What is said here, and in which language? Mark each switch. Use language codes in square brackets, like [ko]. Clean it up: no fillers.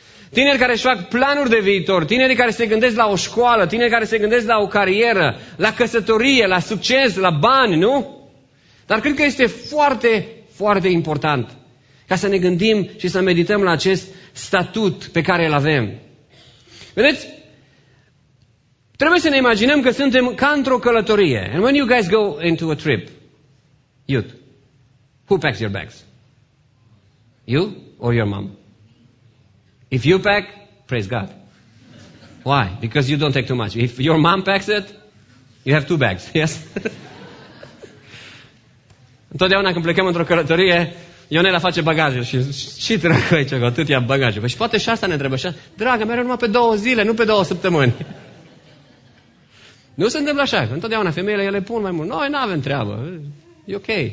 [ro] Tineri care își fac planuri de viitor, tineri care se gândesc la o școală, tineri care se gândesc la o carieră, la căsătorie, la succes, la bani, nu? Dar cred că este foarte, foarte important ca să ne gândim și să medităm la acest statut pe care îl avem. Vedeți? Trebuie să ne imaginăm că suntem ca într-o călătorie. [en] And when you guys go into a trip, youth, who packs your bags? You or your mom? If you pack, praise God. Why? Because you don't take too much. If your mom packs it, you have 2 bags, yes? [ro] Întotdeauna când plecăm într-o călătorie, Ionela face bagajul și ce dracu aici cu atâtea bagaje? Păi și poate și asta ne întrebă. Dragă, mereu numai pe 2 zile, nu pe 2 săptămâni. Nu se întâmplă așa. Întotdeauna femeile ele pun mai mult. Noi nu avem treabă. E ok.